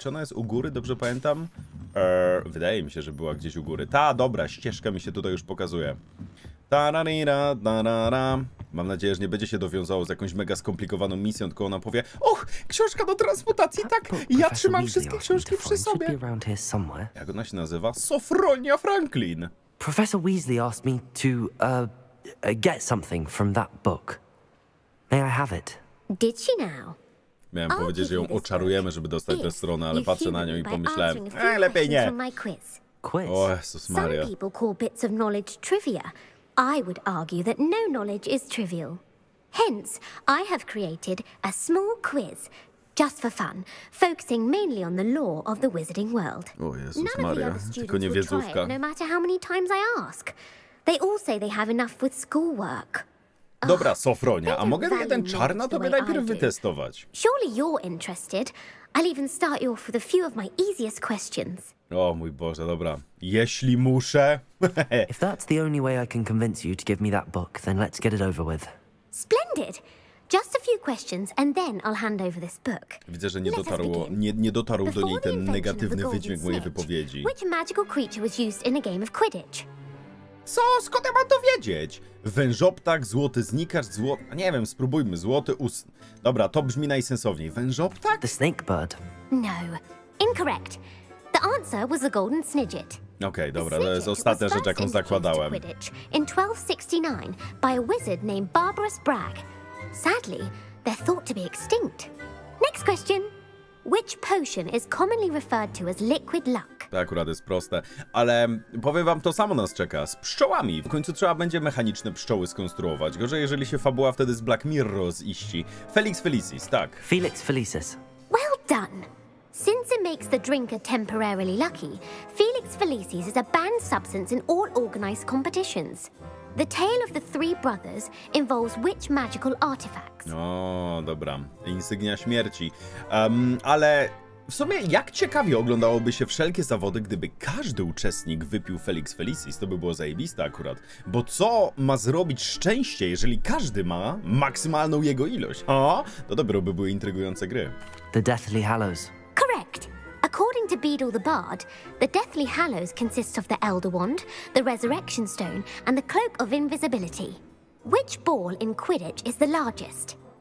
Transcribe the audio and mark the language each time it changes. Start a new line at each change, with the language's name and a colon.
Polish: Czy ona jest u góry, dobrze pamiętam? Wydaje mi się, że była gdzieś u góry. Ta, dobra, ścieżka mi się tutaj już pokazuje. Tararira, tarara. Mam nadzieję, że nie będzie się dowiązało z jakąś mega skomplikowaną misją, tylko ona powie: och, książka do transmutacji, tak, ja trzymam wszystkie książki przy sobie. Jak ona się nazywa? Sofronia Franklin.
English: Professor Weasley asked me to get something from that book. May I have it? Did she now?
Polish: Miałem powiedzieć, że ją oczarujemy, żeby dostać tę stronę, ale patrzę na nią i pomyślałem, lepiej nie.
English: Quiz.
Polish: O Jezus Maria.
English: Some people call bits of knowledge trivia. I would argue that no knowledge is trivial. Hence, I have created a small quiz. Just for fun, focusing mainly on the lore of the wizarding world.
Polish: O Jezus Maria, tylko nie wiedzówka.
English: No matter how many times I ask. They all say they have enough with schoolwork.
Polish: Dobra, Sofronia, a mogę jeden czar na tobie najpierw wytestować?
English: Surely you're interested. I'll even start you off with a few of my easiest questions.
Polish: O mój Boże, dobra. Jeśli muszę.
English: If that's the only way I can convince you to give me that book, then let's get it over with. Splendid. Just a few questions and then I'll hand over this book.
Polish: Widzę, że nie dotarł do niej ten negatywny wydźwięk mojej wypowiedzi.
English: Which magical creature was used in a game of Quidditch?
Polish: Co? Skąd ja mam to wiedzieć? Wężoptak, złoty znikarz, złoty... Nie wiem, spróbujmy, złoty us... Dobra, to brzmi najsensowniej. Wężoptak?
English: The snake bird. No, incorrect. The answer was the golden snidget.
Polish: Okej, okay, dobra, to jest ostatnia rzecz, jaką zakładałem.
English: In 1269 by a wizard named Barbarous Bragg. Sadly, they're thought to be extinct. Next question. Which potion is commonly referred to as liquid luck?
Polish: To akurat jest proste, ale powiem wam, to samo nas czeka. Z pszczołami. W końcu trzeba będzie mechaniczne pszczoły skonstruować. Gorzej, jeżeli się fabuła wtedy z Black Mirror rozziści. Felix Felicis, tak.
English: Felix Felicis. Well done. Since it makes the drinker temporarily lucky, Felix Felicis is a banned substance in all organized competitions. The tale of the three brothers involves which magical artifacts?
Polish: O, dobra. Insygnia śmierci. Ale W sumie, jak ciekawie oglądałoby się wszelkie zawody, gdyby każdy uczestnik wypił Felix Felicis, to by było zajebiste akurat. Bo co ma zrobić szczęście, jeżeli każdy ma maksymalną jego ilość? O, to dopiero by były intrygujące gry.
English: The Deathly Hallows. Correct. According to Beedle the Bard, the Deathly Hallows consists of the Elder Wand, the Resurrection Stone and the Cloak of Invisibility. Which ball in Quidditch is the largest?